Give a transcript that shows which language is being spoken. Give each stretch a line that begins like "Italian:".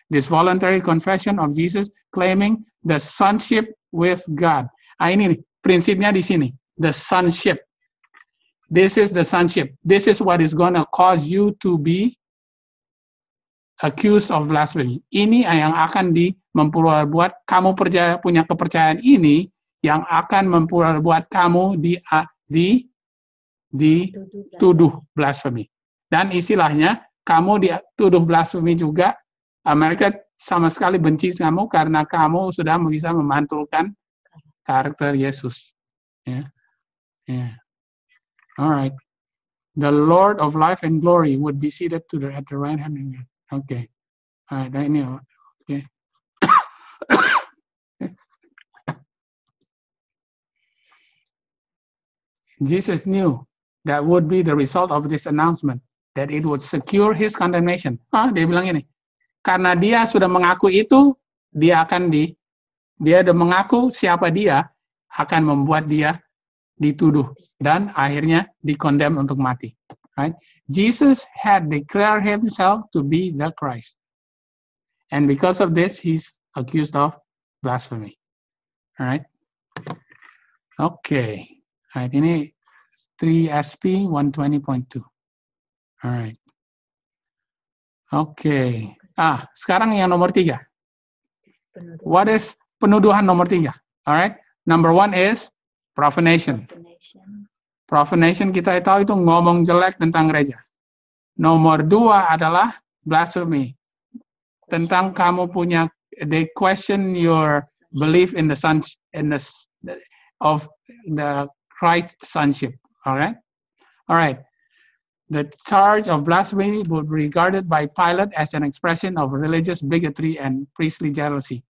English: This voluntary confession of Jesus claiming the sonship with God.
Indonesian: Ini prinsipnya di sini,
English: the sonship. This is the sonship. This is what is going to cause you to be accused of blasphemy.
Indonesian: Ini yang akan memperbuat kamu percaya, punya kepercayaan ini yang akan memperbuat kamu dituduh blasphemy. Dan istilahnya, kamu dituduh blasphemy juga, Amerika sama sekali benci kamu karena kamu sudah bisa memantulkan karakter Yesus.
English: Yeah. Yeah. All right. The Lord of life and glory would be seated to the at the right hand. Okay. All right. Okay. Jesus knew that would be the result of this announcement, that it would secure his condemnation.
Indonesian: Ah, dia bilang ini, karena dia sudah mengaku itu, dia sudah mengaku siapa dia, akan membuat dia dituduh dan akhirnya dikondem untuk mati.
English: Right? Jesus had declared himself to be the Christ, and because of this, he's accused of blasphemy. All right. Okay. All right, ini 3SP 120.2. All right. Okay.
Indonesian: Ah, sekarang yang nomor tiga.
English: What is
Indonesian: penuduhan nomor tiga?
English: All right. Number one is profanation.
Indonesian: Profanation kita tahu itu ngomong jelek tentang gereja. Nomor dua adalah blasphemy. tentang kamu punya,
English: they question your belief in the son, in the of the Christ sonship. All right. The charge of blasphemy would be regarded by Pilate as an expression of religious bigotry and priestly jealousy.